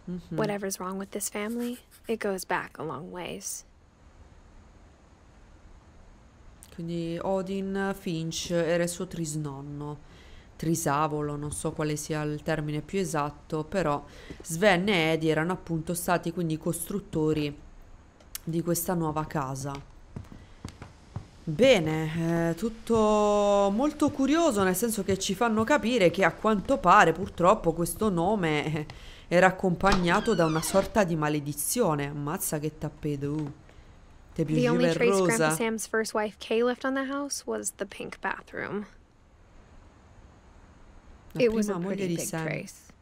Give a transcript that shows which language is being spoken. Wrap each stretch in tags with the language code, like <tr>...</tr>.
<en>Whatever's wrong with this family, it goes back a long ways.</en> <it>Quindi Odin Finch era il suo trisnonno, trisavolo, non so quale sia il termine più esatto, però Sven e Edie erano appunto stati quindi costruttori di questa nuova casa. Bene, tutto molto curioso, nel senso che ci fanno capire che a quanto pare purtroppo questo nome era accompagnato da una sorta di maledizione. Ammazza che tappeto,</it> <en>The only trace Grandpa Sam's first wife Kay left on the house was the pink bathroom. It was a pretty big trace.</en>